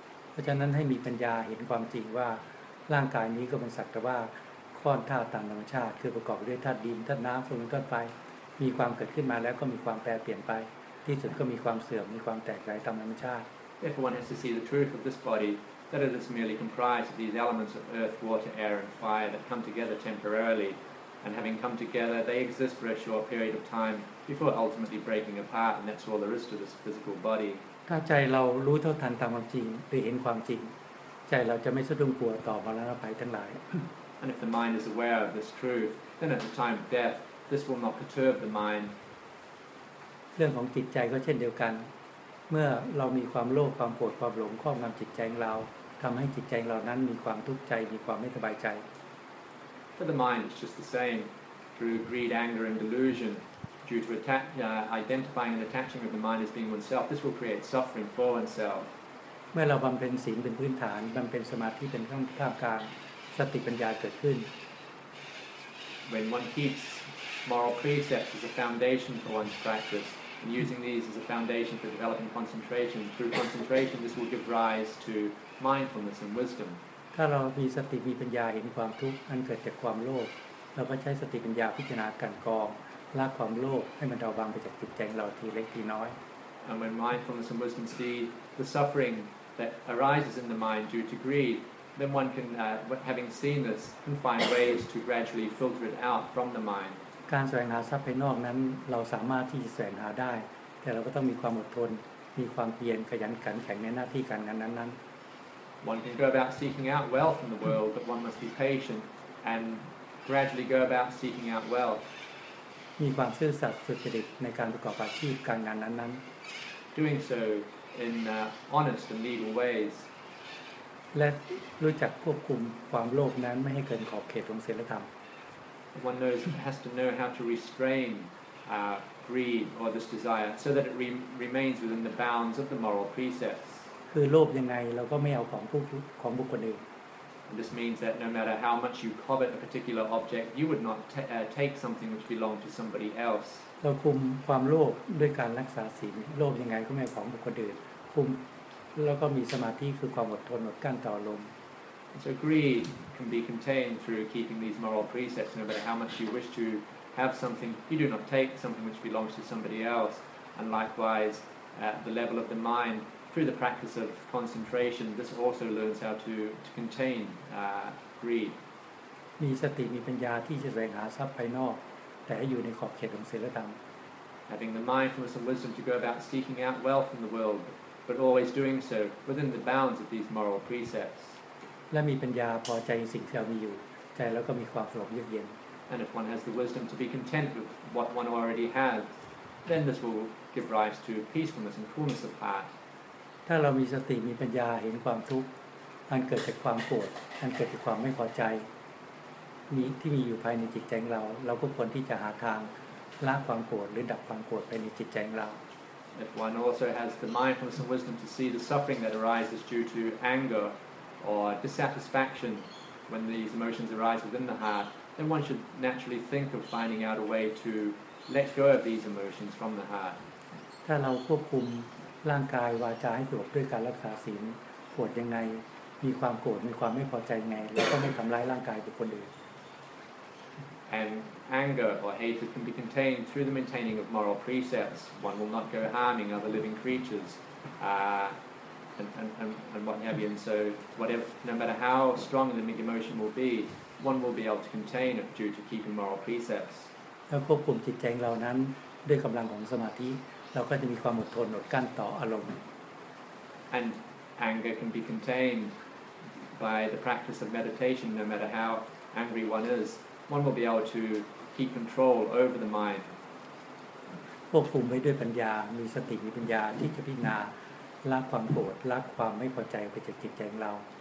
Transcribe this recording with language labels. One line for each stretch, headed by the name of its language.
Thai: เพราะฉะนั้นให้มีปัญญาเห็นความจริงว่าร่างกายนี้ก็เป็นสักแต่ว่าค้อนธาตุตามธรรมชาติคือประกอบด้วยธาตุดินธาตุน้ำลมก้อนไฟมีความเกิดขึ้นมาแล้วก็มีความแปรเปลี่ยนไปที่สุดก็มีความเสื่อมมีความแตกสลายตามธรรมชาติ
English: If one has to see the truth of this body that it is merely comprised of these elements of earth water air and fire that come together temporarily and having come together they exist for a short period of time before ultimately breaking apart and that's all there is to this physical body
Thai: ถ้าใจเรารู้เท่าทันตามความจริงหรือเห็นความจริงใจเราจะไม่สะดุ้งกลัวต่อมรณภัยทั้งหลาย
English: And if the mind is aware of this truth, then at the time of death, this will not perturb the mind.
Thai: เรื่องของจิตใจก็เช่นเดียวกันเมื่อเรามีความโลภความโกรธความหลงครอบงำจิตใจของเราทำให้จิตใจของเรานั้นมีความทุกข์ใจมีความไม่สบายใจ
English: For the mind is just the same through greed, anger, and delusion due to identifying and attaching of the mind as being oneself. This will create suffering for oneself.
Thai: เมื่อเราบำเพ็ญศีลเป็นพื้นฐานบำเพ็ญสมาธิเป็นขั้นท่ากลางสติปัญญาเกิดขึ้น
English: When one keeps moral precepts as a foundation for one's practice and using these as a foundation for developing concentration through concentration this will give rise to mindfulness and wisdom
Thai: ถ้าเรามีสติมีปัญญาเห็นความทุกข์อันเกิดจากความโลภเราก็ใช้สติปัญญาพิจารณากันกองละความโลภให้มันเบาบางไปจากจิตใจของเราทีเล็กทีน้อย
English: And when mindfulness and wisdom see the sufferingThat arises in the mind due to greed, then one can, having seen this, can find ways to gradually filter it out from the mind.
Thai: การแสวงหาทรัพย์ภายนอกนั้นเราสามารถที่จะแสวงหาได้แต่เราก็ต้องมีความอดทนมีความเพียรขยันขันแข็งในหน้าที่การงานนั้น
English: ๆ One can go about seeking out wealth in the world, but one must be patient and gradually go about seeking out wealth.
Thai: มีความซื่อสัตย์สุจริตในการประกอบอาชีพการงานนั้น
English: ๆ Doing so. In honest and legal ways.
Thai: Let รู้จักควบคุมความโลภนั้นไม่ให้เกินขอบเขตของศีลธรรม
English: One knows has to know how to restrain greed or this desire so that it remains within the bounds of the moral precepts.
Thai: คือโลภยังไงเราก็ไม่เอาของบุคคลอื่น
English: And this means that no matter how much you covet a particular object, you would not take something which belonged to somebody else.
Thai: เราคุมความโลภด้วยการรักษาศีลโลภยังไงก็ไม่ของบุคคลอื่นคุมแล้วก็มีสมาธิคือความอดทนอดกั้นต่ออารมณ์
English: So greed can be contained through keeping these moral precepts no matter how much you wish to have something you do not take something which belongs to somebody else and likewise at the level of the mind through the practice of concentration this also learns how to contain greed
Thai: มีสติมีปัญญาที่จะแสวงหาทรัพย์ภายนอกแต่ให้อยู่ในขอบเขตของศีลธรรม
English: Having the mindfulness and wisdom to go about seeking out wealth in the world, but always doing so within the bounds of these moral precepts.
Thai: และมีปัญญาพอใจสิ่งที่เรามีอยู่ใจเราก็มีความสงบเยือกเย็น
English: And if one has the wisdom to be content with what one already has, then this will give rise to peacefulness and coolness of heart.
Thai: ถ้าเรามีสติมีปัญญาเห็นความทุกข์อันเกิดจากความโกรธอันเกิดจากความไม่พอใจ มีที่มีอยู่ภายในจิตใจของเราเราก็ควรที่จะหาทางละความโกรธหรือดับความโกรธภายในจิตใจของเรา
English: If one also has the mindfulness and wisdom to see the suffering that arises due to anger or dissatisfaction when these emotions arise within the heart then one should naturally think of finding out a way to let go of these emotions from the heart
Thai: ถ้าเราควบคุมร่างกายวาจาให้สงบด้วยการรักษาศีลโกรธยังไงมีความโกรธมีความไม่พอใจไงแล้วก็ไม่ทำร้ายร่างกายกับคนอื่น
English: And anger or hatred can be contained through the maintaining of moral precepts. One will not go harming other living creatures, and what have you. And so, whatever, no matter how strong the emotion will be, one will be able to contain it due to keeping moral precepts.
Thai: แล้วควบคุมจิตใจเรานั้นด้วยกำลังของสมาธิเราก็จะมีความอดทนอดกั้นต่ออารมณ์
English: And anger can be contained by the practice of meditation, no matter how angry one is. One will be able to keep control over the mind.
Thai: ควบคุมไว้ด้วยปัญญามีสติมีปัญญาที่จะพิจารณาละความโกรธละความไม่พอใจไปจากจิตใจของเรา